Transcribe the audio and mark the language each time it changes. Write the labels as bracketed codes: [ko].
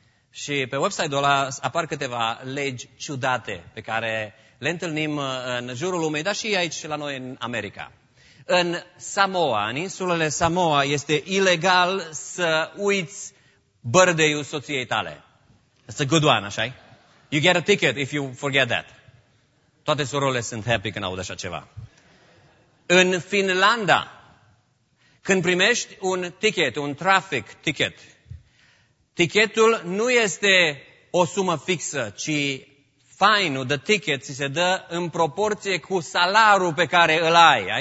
[ro] Și pe website-ul ăla apar câteva legi ciudate pe care le întâlnim în jurul lumii, dar și aici la noi în America. În Samoa, în insulele Samoa, este ilegal să uiți birthday-ul soției tale. [en] It's a good one, [ro] așa-i? [en] You get a ticket if you forget that. [ro] Toate surorile sunt happy când aud așa ceva. În Finlanda, când primești un ticket, un traffic ticket, tichetul nu este o sumă fixă, ci fine-ul, [en] the ticket, [ro] ți se dă în proporție cu salariul pe care îl ai.